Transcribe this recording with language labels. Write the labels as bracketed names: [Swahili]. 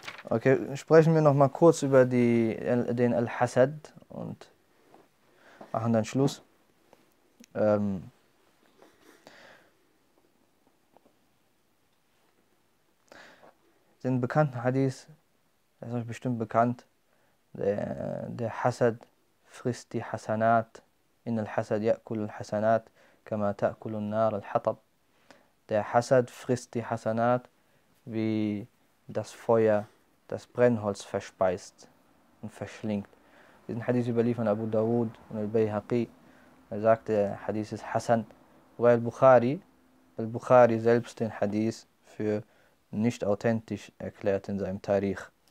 [German] Okay, sprechen wir noch mal kurz über den Al-Hasad und machen dann Schluss. Den bekannten Hadith, der ist euch bestimmt bekannt, der Hasad frisst die Hasanat [Arabic] إن الحسد يأكل الحسنات كما تأكل النار الحطب. [German] Der Hasad frisst die Hasanat, wie das Feuer das Brennholz verspeist und verschlingt. Diesen Hadith überliefern Abu Dawud und Al-Bayhaqi. Er sagte, der Hadith ist Hasan. Wobei Al-Bukhari selbst den Hadith für nicht authentisch erklärt in seinem Tarikh.